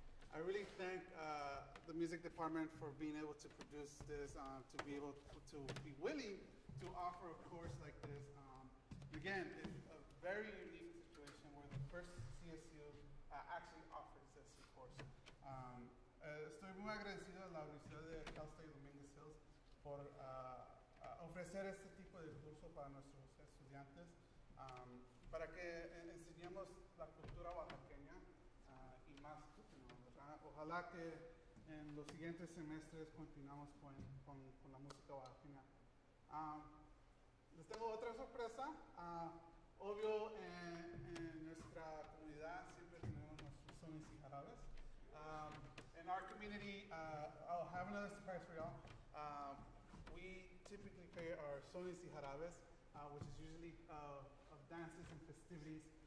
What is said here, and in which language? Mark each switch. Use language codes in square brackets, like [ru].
[en] I really thank the music department for being able to produce this, to be able to be willing to offer a course like this. Again, it's a very unique situation where the first CSU actually offers this course. [es] Estoy muy agradecido a la Universidad de Cal State Dominguez Hills por ofrecer este tipo de curso para nuestros estudiantes, para que enseñemos la cultura oaxaqueña y más. Ojalá que en los siguientes semestres continuamos con la música oaxaqueña. Les tengo otra sorpresa. Obvio, en nuestra comunidad siempre tenemos nuestros sones y jarabes. [en] In our community, I'll have another surprise for y'all. We typically play our sones y jarabes, which is usually of dances and festivities.